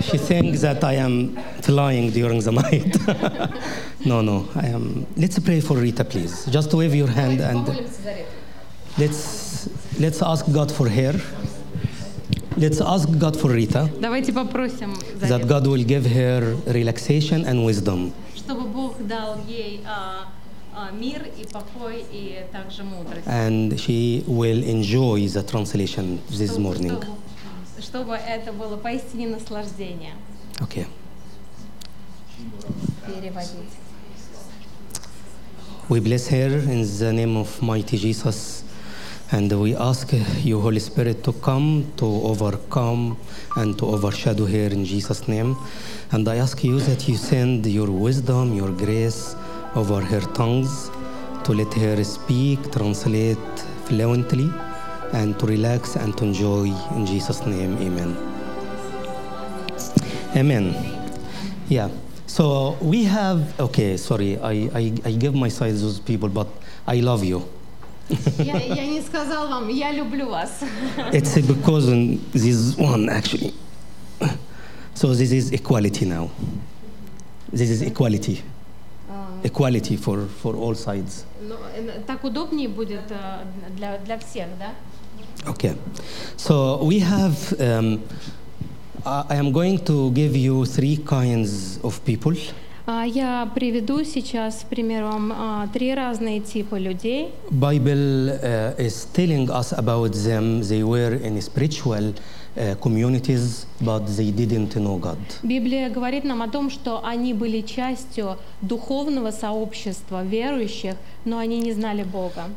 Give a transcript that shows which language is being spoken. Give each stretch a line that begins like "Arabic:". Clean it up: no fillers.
English: She thinks that I am flying during the night. No, I am. Let's pray for Rita, please. Just wave your hand and let's ask God for her. Let's ask God for Rita.
Russian: Давайте попросим
English: that God will give her relaxation and wisdom.
Russian: Чтобы Бог дал ей мир и покой и также мудрость.
English: And she will enjoy the translation this morning.
Russian: Чтобы это было поистине наслаждение.
English: Okay.
Russian: Переводить.
English: We bless her in the name of mighty Jesus, and we ask you, Holy Spirit, to come to overcome and to overshadow her in Jesus' name, and I ask you that you send your wisdom, your grace over her tongues, to let her speak, translate, fluently and to relax and to enjoy in Jesus' name. Amen. Amen. Yeah. So we have, okay, sorry, I give my side to those people, but I love you.
Russian: Я не сказал вам, я люблю вас.
English: It's because this one actually. So this is equality now. This is equality. Equality for all sides.
Russian: Так удобнее будет для всех, да?
English: Okay. So we have, I am going to give you three kinds of people.
Russian: Я приведу сейчас, к примеру, три разные типа людей.
English: Bible is telling us about them. They were in spiritual communities, but they didn't know God.
Russian: Библия говорит нам о том, что они были частью духовного сообщества верующих, но они не знали Бога.